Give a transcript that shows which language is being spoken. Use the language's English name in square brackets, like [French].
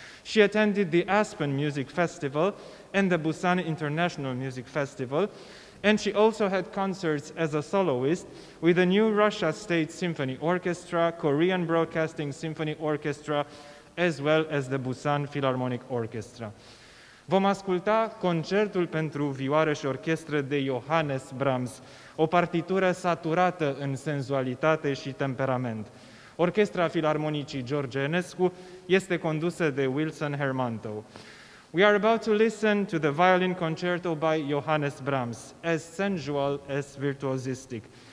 [English] She attended the Aspen Music Festival and the Busan International Music Festival, and she also had concerts as a soloist with the New Russia State Symphony Orchestra, Korean Broadcasting Symphony Orchestra, as well as the Busan Philharmonic Orchestra. [Romanian] Vom asculta concertul pentru vioară și orchestră de Johannes Brahms, o partitură saturată în senzualitate și temperament. Orchestra Filarmonicii George Enescu este condusă de Wilson Hermanto. [English] We are about to listen to the Violin Concerto by Johannes Brahms, as sensual as virtuosistic.